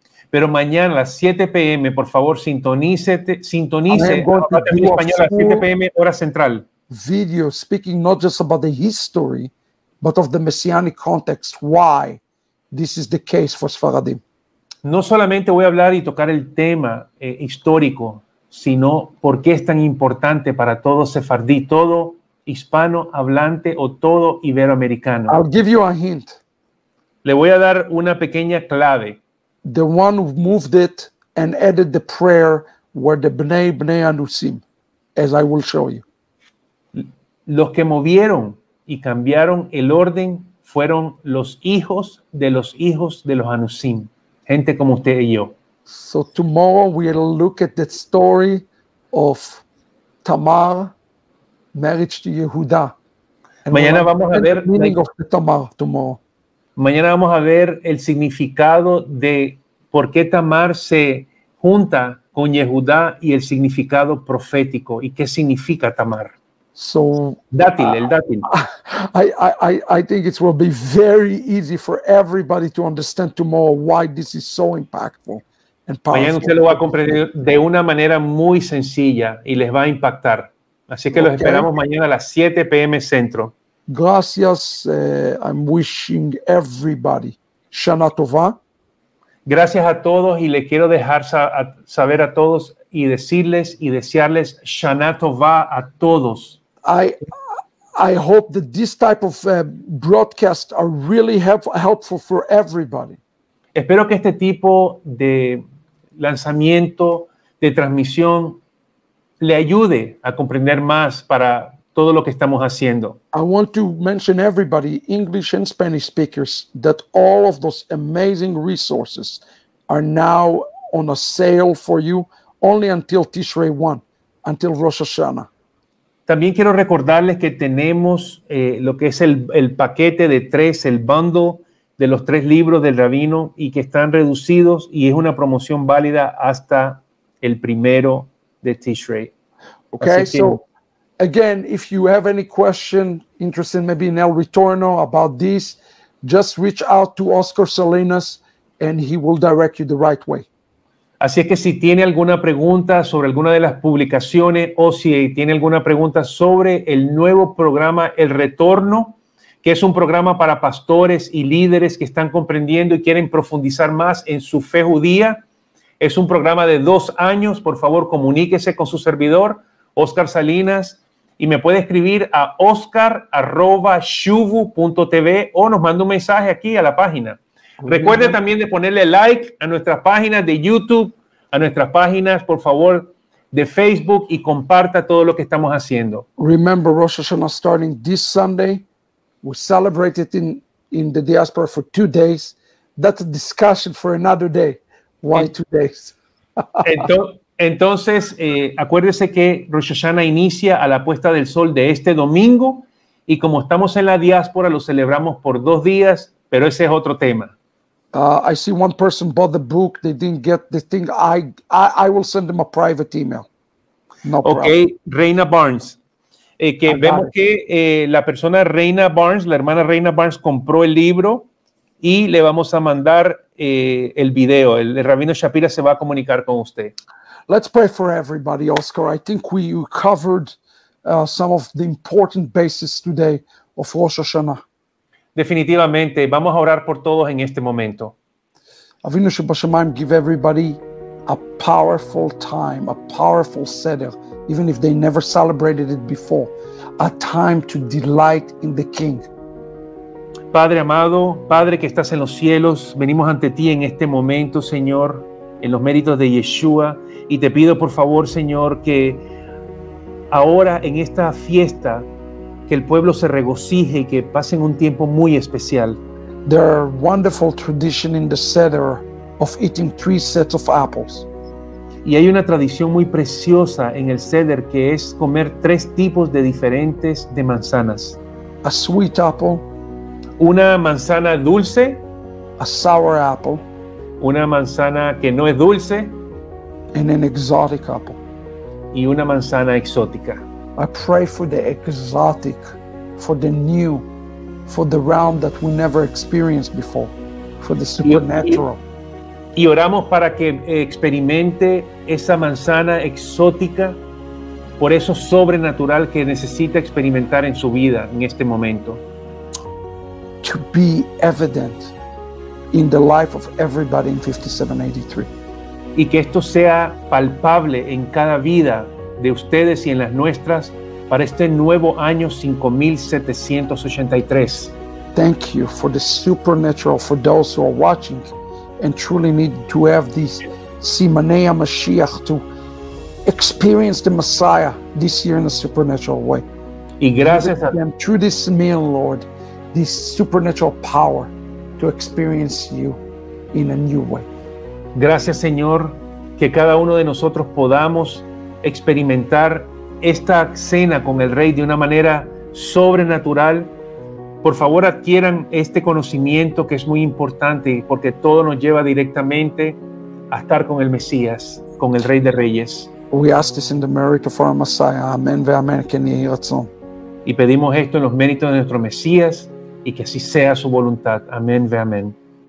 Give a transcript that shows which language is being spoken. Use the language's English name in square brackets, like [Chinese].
[Spanish] Pero mañana a las 7 p.m., por favor, sintonice Avatami Español a las 7 p.m. hora central. [English] Video speaking not just about the history, but of the messianic context, why this is the case for Sfaradim. [Spanish] No solamente voy a hablar y tocar el tema histórico, sino por qué es tan importante para todo sefardí, todo hispano hablante o todo iberoamericano. [English] I'll give you a hint. [Spanish] Le voy a dar una pequeña clave. [English] The one who moved it and added the prayer were the Bnei Anusim, as I will show you. [Spanish] Los que movieron y cambiaron el orden fueron los hijos de los Anusim, gente como usted y yo. [English] So tomorrow we'll look at the story of Tamar, marriage to Yehuda. [Spanish] Mañana vamos a ver [English] the meaning of Tamar tomorrow. [Spanish] Mañana vamos a ver el significado de por qué Tamar se junta con Yehuda y el significado profético y qué significa Tamar. [English] So [Spanish] dátil, el dátil. [English] I think it will be very easy for everybody to understand tomorrow why this is so impactful and powerful. [Spanish] Mañana usted lo va a comprender de una manera muy sencilla y les va a impactar. Así que los esperamos mañana a las 7 p.m. centro. Gracias. [English] I'm wishing everybody Shana Tova. [Spanish] Gracias a todos y le quiero dejar saber a todos y decirles y desearles Shana Tova a todos. [English] I hope that this type of broadcast are really helpful for everybody. [Spanish] Espero que este tipo de lanzamiento de transmisión le ayude a comprender más para todo lo que estamos haciendo. [English] I want to mention everybody, English and Spanish speakers, that all of those amazing resources are now on a sale for you only until Tishrei 1, until Rosh Hashanah. [Spanish] También quiero recordarles que tenemos lo que es el paquete de tres, el bundle de los tres libros del Rabino, y que están reducidos y es una promoción válida hasta el primero de Tishrei. [English] Okay, so again, if you have any question, interested maybe in El Retorno about this, just reach out to Oscar Salinas and he will direct you the right way. [Spanish] Así es que si tiene alguna pregunta sobre alguna de las publicaciones o si tiene alguna pregunta sobre el nuevo programa El Retorno, que es un programa para pastores y líderes que están comprendiendo y quieren profundizar más en su fe judía, es un programa de 2 años. Por favor, comuníquese con su servidor, Oscar Salinas, y me puede escribir a oscar@shuvu.tv o nos manda un mensaje aquí a la página. Recuerde también de ponerle like a nuestras páginas de YouTube, a nuestras páginas, por favor, de Facebook, y comparta todo lo que estamos haciendo. [English] Remember, Rosh Hashanah starting this Sunday. We celebrate it in the diaspora for 2 days. That's a discussion for another day. Why 2 days? [Spanish] Entonces, acuérdese que Rosh Hashanah inicia a la puesta del sol de este domingo y como estamos en la diáspora, lo celebramos por dos días, pero ese es otro tema. [English] I see one person bought the book. They didn't get the thing. I will send them a private email. No problem. Okay, Reina Barnes. [Spanish] Que vemos que la persona Reina Barnes, la hermana Reina Barnes, compró el libro y le vamos a mandar el video. El Rabino Shapira se va a comunicar con usted. [English] Let's pray for everybody, Oscar. I think we covered some of the important bases today of Rosh Hashanah. [Spanish] Definitivamente, vamos a orar por todos en este momento. [English] Avinu Shebashamayim, give everybody a powerful time, a powerful Seder, even if they never celebrated it before, a time to delight in the King. [Spanish] Padre amado, Padre que estás en los cielos, venimos ante ti en este momento, Señor, en los méritos de Yeshua, y te pido por favor, Señor, que ahora en esta fiesta, que el pueblo se regocije y que pasen un tiempo muy especial. [English] There are wonderful tradition in the Seder of eating three sets of apples. [Spanish] Y hay una tradición muy preciosa en el Seder que es comer tres tipos de diferentes de manzanas. [English] A sweet apple, [Spanish] una manzana dulce, [English] a sour apple, [Spanish] una manzana que no es dulce, [English] and an exotic apple, [Spanish] y una manzana exótica. [English] I pray for the exotic, for the new, for the realm that we never experienced before, for the supernatural. [Spanish] Y oramos para que experimente esa manzana exótica, por eso sobrenatural que necesita experimentar en su vida en este momento. [English] To be evident in the life of everybody in 5783. [Spanish] Y que esto sea palpable en cada vida de ustedes y en las nuestras para este nuevo año 5783. [English] Thank you for the supernatural for those who are watching and truly need to have this Simanei Mashiach to experience the Messiah this year in a supernatural way. [Spanish] Y gracias a [English] them through this meal, Lord, this supernatural power to experience you in a new way. [Spanish] Gracias, Señor, que cada uno de nosotros podamos experimentar esta cena con el Rey de una manera sobrenatural. Por favor, adquieran este conocimiento que es muy importante porque todo nos lleva directamente a estar con el Mesías, con el Rey de Reyes. [English] We ask this in the merit of our Messiah. Amen, ve amen, que ni razón. [Spanish] Y pedimos esto en los méritos de nuestro Mesías y que así sea su voluntad. Amen, ve amen.